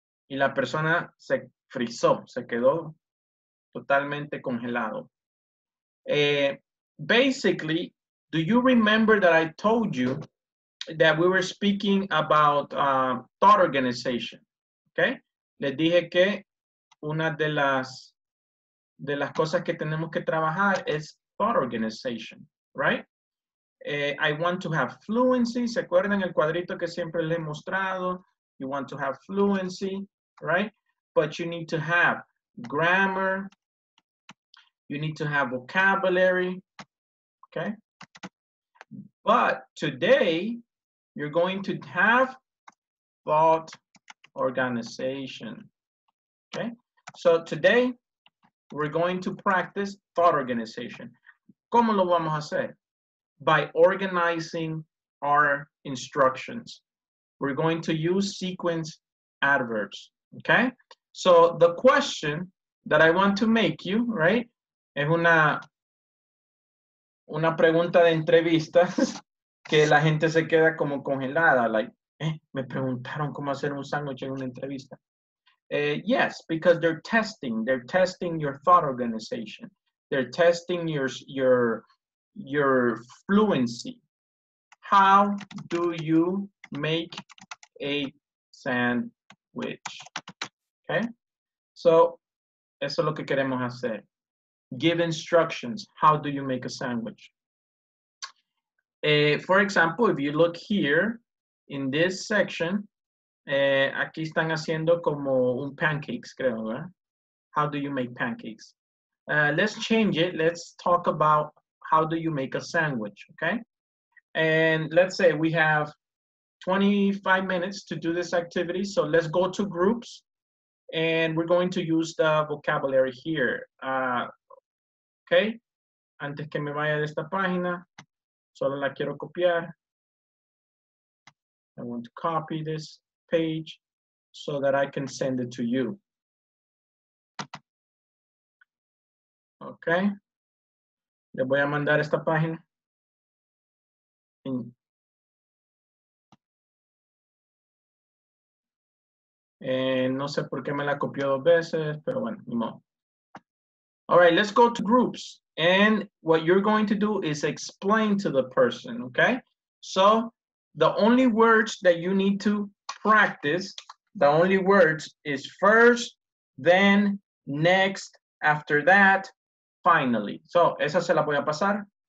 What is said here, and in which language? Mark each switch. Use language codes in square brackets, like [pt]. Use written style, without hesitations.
[es] Y la persona se frizó, se quedó totalmente congelado. [en] Basically, do you remember that I told you that we were speaking about thought organization? Okay? [es] Les dije que una de las cosas que tenemos que trabajar es thought organization, right? [en] I want to have fluency. [es] ¿Se acuerdan el cuadrito que siempre les he mostrado? [en] You want to have fluency, right? But you need to have grammar. You need to have vocabulary, okay? But today, you're going to have thought organization, okay? So today, we're going to practice thought organization. [es] ¿Cómo lo vamos a hacer? [en] By organizing our instructions. We're going to use sequence adverbs, okay? So the question that I want to make you, right? [es] Es una pregunta de entrevistas que la gente se queda como congelada. Me preguntaron cómo hacer un sándwich en una entrevista. [en] Yes, because they're testing. They're testing your thought organization. They're testing your fluency. How do you make a sandwich? [es] Okay? So, eso es lo que queremos hacer. [en] Give instructions. How do you make a sandwich? For example, if you look here in this section, [es] aquí están haciendo como un pancakes, creo, ¿verdad? [en] How do you make pancakes? Let's change it. Let's talk about how do you make a sandwich, okay? And let's say we have 25 minutes to do this activity. So let's go to groups and we're going to use the vocabulary here. [es] Okay, antes que me vaya de esta página, solo la quiero copiar. [en] I want to copy this page so that I can send it to you. [es] Okay, le voy a mandar esta página. No sé por qué me la copió dos veces, pero bueno, ni modo. [en] All right, let's go to groups. And what you're going to do is explain to the person, okay? So the only words that you need to practice, the only words is first, then, next, after that, finally. So, [es] esa se la voy a pasar.